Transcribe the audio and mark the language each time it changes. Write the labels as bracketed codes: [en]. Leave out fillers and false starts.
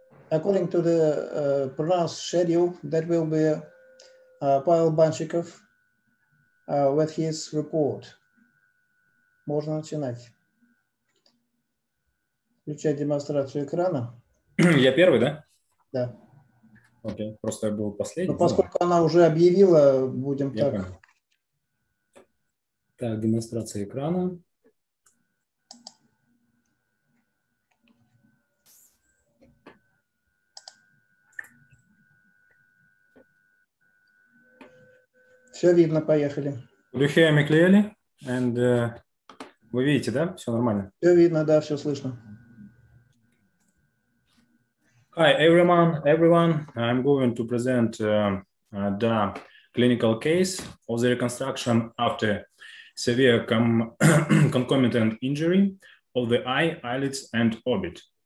[en] According to the pronounced schedule, that will be Pavel Banchikov with his report. [ru] Можно начинать. Включать демонстрацию экрана. Я первый, да? Да. Окей, просто я был последний. Но поскольку она уже объявила, будем так. Так, демонстрация экрана. Все видно, поехали. Люхея Миклиэли, and вы видите, да? Все нормально. Все видно, да, все слышно. [en] Hi everyone, I'm going to present the clinical case of the reconstruction after severe concomitant injury of the eye, eyelids, and orbit.